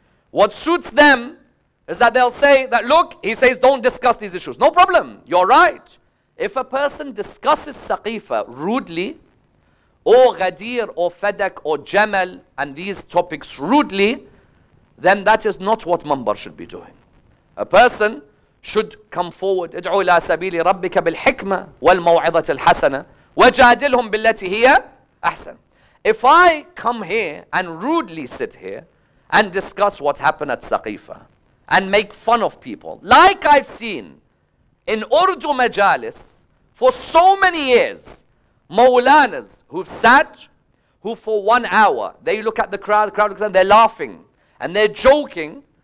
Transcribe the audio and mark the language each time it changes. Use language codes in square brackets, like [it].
[en] What suits them is that they'll say that, look, he says don't discuss these issues. No problem, you're right. If a person discusses Saqifa rudely, or Ghadir, or Fadak, or Jamal, and these topics rudely, then that is not what Mambar should be doing. A person should come forward, [ar] ادعو إلى سبيل ربك بالحكمة والموعظة الحسنة وجادلهم بالتي هي أحسن. [en] If I come here and rudely sit here and discuss what happened at Saqifa and make fun of people, like I've seen in Urdu Majalis for so many years, Mawlanas who've sat, who for 1 hour, they look at the crowd looks at them, they're laughing and they're joking.